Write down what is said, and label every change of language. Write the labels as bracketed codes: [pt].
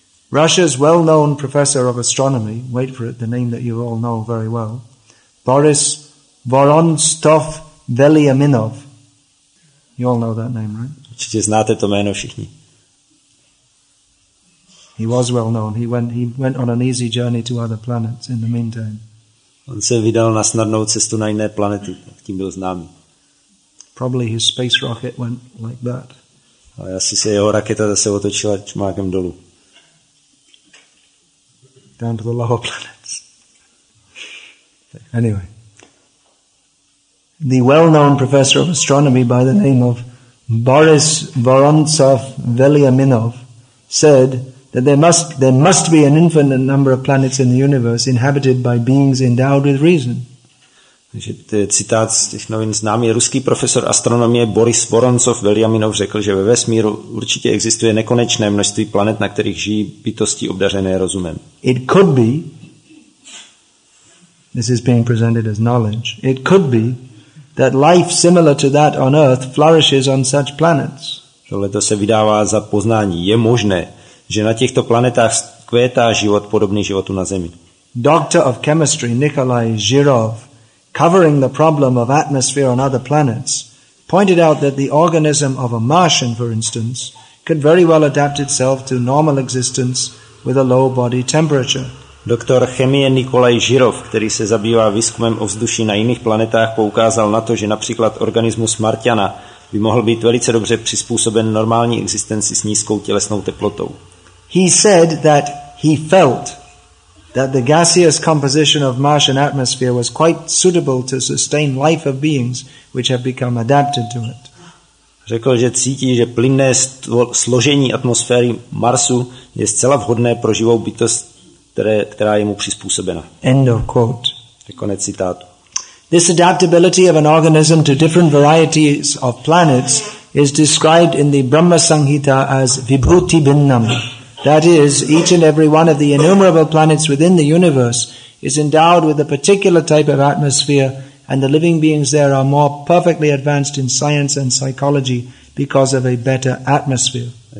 [en] Russia's well-known professor of astronomy, wait for it, the name that you all know very well, Boris Vorontsov-Veliaminov. You all know that name, right? [cs] Určitě znáte to jméno všichni. [en] He was well known. He went on an easy journey to other planets in the meantime. [cs] On se vydal na snadnou cestu na jiné planety, tím byl známý. [en] Probably his space rocket went like that. [cs] A asi se jeho raketa zase otočila čmákem dolů. [en] down to the lower planets. Anyway. The well-known professor of astronomy by the name of Boris Vorontsov Veliaminov said that there must be an infinite number of planets in the universe inhabited by beings endowed with reason. [cs] Takže to je citát z těch novin. Známý ruský profesor astronomie Boris Vorontsov Veliaminov řekl, že ve vesmíru určitě existuje nekonečné množství planet, na kterých žijí bytosti obdařené rozumem. [en] It could be, this is being presented as knowledge, it could be that life similar to that on Earth flourishes on such planets. [cs] Tohle to se vydává za poznání. Je možné, že na těchto planetách kvétá život podobný životu na Zemi. [en] Doctor of chemistry Nikolai Žirov, covering the problem of atmosphere on other planets, pointed out that the organism of a Martian, for instance, could very well adapt itself to normal existence with a low body temperature. [cs] Doktor chemie Nikolaj Žirov, který se zabývá výzkumem ovzduší na jiných planetách, poukázal na to, že například organismus Marťana by mohl být velice dobře přizpůsoben normální existenci s nízkou tělesnou teplotou. [en] He said that he felt that the gaseous composition of Martian atmosphere was quite suitable to sustain life of beings which have become adapted to it. [cs] Řekl, že cítí, že plynné složení atmosféry Marsu je zcela vhodné pro živou bytost, která je mu přizpůsobena. [en] End of quote. [cs] Je konec citátu. [en] This adaptability of an organism to different varieties of planets is described in the Brahma Samhita as Vibhuti Bhinnam. That is, each and every one of the innumerable planets within the universe is endowed with a particular type of atmosphere, and the living beings there are more perfectly advanced in science and psychology because of a better atmosphere.